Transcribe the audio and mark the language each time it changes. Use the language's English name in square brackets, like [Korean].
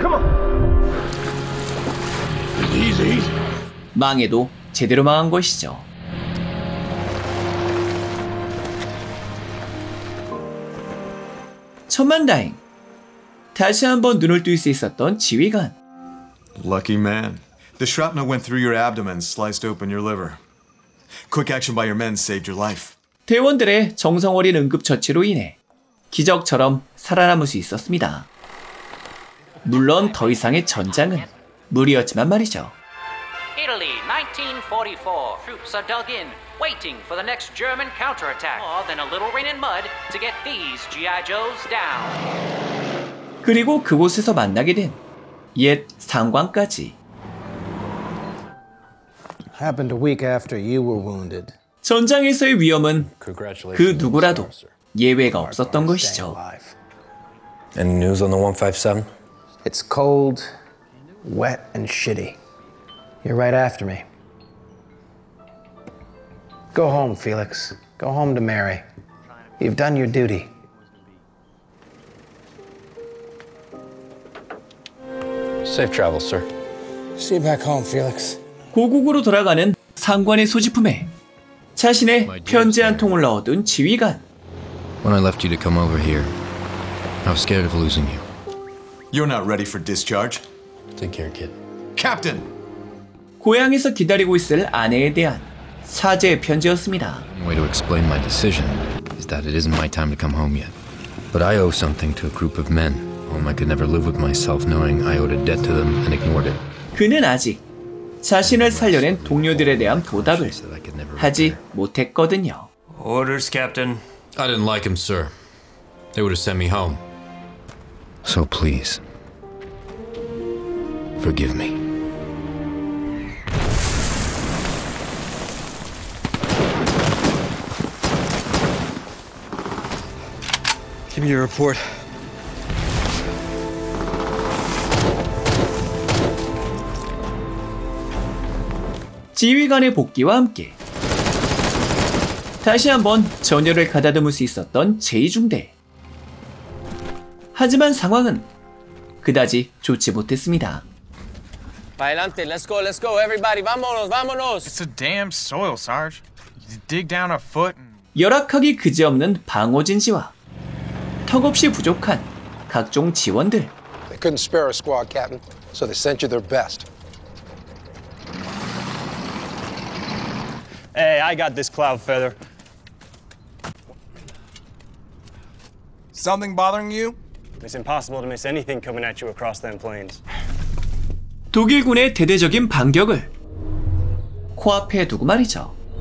[English] Come on. Easy. [Korean] 망해도 제대로 망한 것이죠. 천만다행. 다시 한번 눈을 뜰 수 있었던 지휘관. [English] Lucky man. The shrapnel went through your abdomen, sliced open your liver. Quick action by your men saved your life. [Korean] 대원들의 정성어린 응급처치로 인해 기적처럼 살아남을 수 있었습니다. 물론 더 이상의 전장은 무리였지만 말이죠. [English] Italy, 1944. Troops are dug in, waiting for the next German counterattack. More than a little rain and mud to get these G.I. Joes down. [Korean] 그리고 그곳에서 만나게 된 옛 상관까지. [English] Happened a week after you were wounded. [Korean] 전장에서의 위험은 그 누구라도 예외가 없었던 것이죠. [English] Any news on the 157? It's cold, wet, and shitty. You're right after me. Go home, Felix. Go home to Mary. You've done your duty. [Korean] 고국으로 돌아가는 상관의 소지품에 자신의 편지 한 통을 넣어둔 지휘관. [English] When I left you to come over here, I was scared of losing you. You're not ready for discharge. Take care, kid. Captain. [Korean] 고향에서 기다리고 있을 아내에 대한 사죄의 편지였습니다. [English] The way to explain my decision is that it isn't my time to come home yet. But I owe something to a group of men. I could never live with myself knowing I owed a debt to them and ignored it. [Korean] 그는 아직 자신을 살려낸 동료들에 대한 보답을 하지 못했거든요. [English] Orders, Captain. I didn't like him, sir. They would have sent me home. So please, forgive me. 기 미 리포트. [Korean] 지휘관의 복귀와 함께 다시 한번 전열을 가다듬을 수 있었던 제2중대. 하지만 상황은 그다지 좋지 못했습니다. [Spanish] Adelante, [English] let's go, everybody, [Spanish] vámonos, vámonos. [English] It's a damn soil, Sarge. You dig down a foot. [Korean] 열악하기 그지없는 방어진지와 턱없이 부족한 각종 지원들. [English] They couldn't spare a squad, Captain, so they sent you their best. Hey, I got this cloud feather. Something bothering you? It's impossible to miss anything coming at you across them plains. [Korean] 독일군의 대대적인 반격을 코앞에 두고 말이죠.